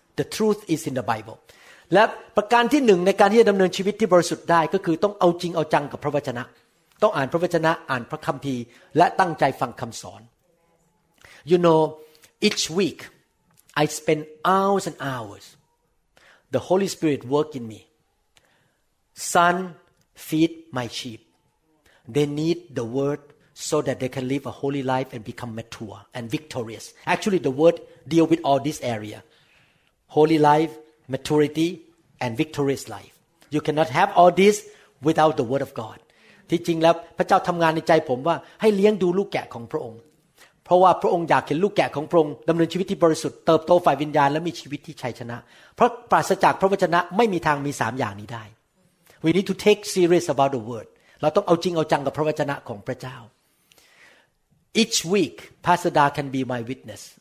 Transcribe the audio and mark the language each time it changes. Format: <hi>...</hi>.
<en>The truth is in the Bible.</en> <th>และประการที่หนึ่งในการที่จะดำเนินชีวิตที่บริสุทธิ์ได้ก็คือต้องเอาจริงเอาจังกับพระวจนะต้องอ่านพระวจนะอ่านพระคัมภีร์และตั้งใจฟังคำสอน</th> <en>You know, each week I spend hours and hours the Holy Spirit work in meSon, feed my sheep. They need the word so that they can live a holy life and become mature and victorious. Actually, the word deals with all this area. Holy life, maturity, and victorious life. You cannot have all this without the word of God.</en> <th>ที่จริงแล้วพระเจ้าทำงานในใจผมว่าให้เลี้ยงดูลูกแกะของพระองค์เพราะว่าพระองค์อยากเห็นลูกแกะของพระองค์ดำเนินชีวิตที่บริสุทธิ์เติบโตฝ่ายวิญญาณและมีชีวิตที่ชัยชนะเพราะปราศจากพระวจนะไม่มีทางมีสามอย่างนี้ได้</th> <en>We need to take serious about the word.</en> <th>เราต้องเอาจริงเอาจังกับพระวจนะของพระเจ้า</th> <en>Each week, Pastor Da can be my witness.</en>